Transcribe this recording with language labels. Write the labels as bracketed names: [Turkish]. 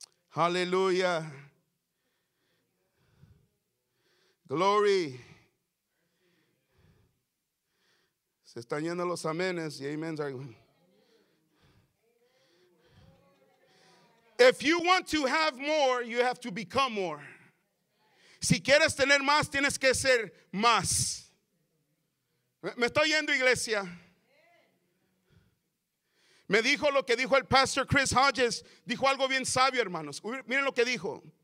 [English] Hallelujah. Glory. [Spanish] Se están yendo los amenes y [English] amens are going. If you want to have more, you have to become more. [Spanish] Si quieres tener más, tienes que ser más. Me estoy yendo, iglesia. Me dijo lo que dijo el pastor Chris Hodges. Dijo algo bien sabio, hermanos. Miren lo que dijo.